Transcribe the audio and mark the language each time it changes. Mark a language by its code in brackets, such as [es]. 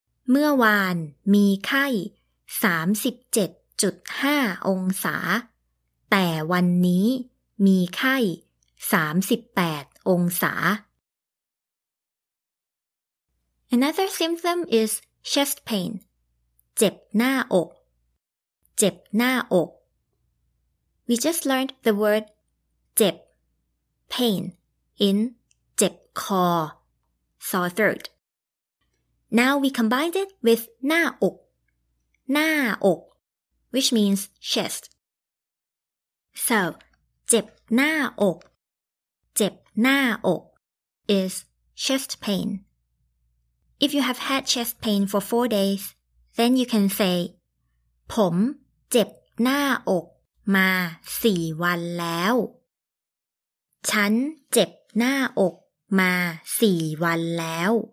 [th] เมื่อวานมีไข้ 37.5 องศาแต่วันนี้มีไข้ 38 องศา [en] Another symptom is chest pain. เจ็บหน้าอก เจ็บหน้าอก We just learned the word เจ็บ pain in เจ็บคอ sore throat. Now we combined it with หน้าอก หน้าอก which means chest. So, เจ็บหน้าอก เจ็บหน้าอก is chest pain. If you have had chest pain for 4 days, then you can say [th] ผมเจ็บหน้าอกมา 4 วันแล้ว ฉันเจ็บหน้าอกมา 4 วันแล้ว